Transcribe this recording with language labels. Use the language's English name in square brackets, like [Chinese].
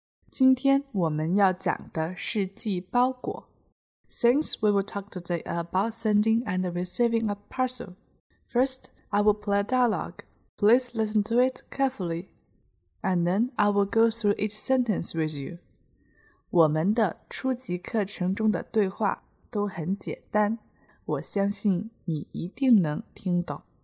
[Chinese] 今天我们要讲的是寄包裹。 [English] Since we will talk today about sending and receiving a parcel, first I will play a dialogue. Please listen to it carefully, and then I will go through each sentence with you. [Chinese] 我们的初级课程中的对话都很简单，我相信你一定能听懂。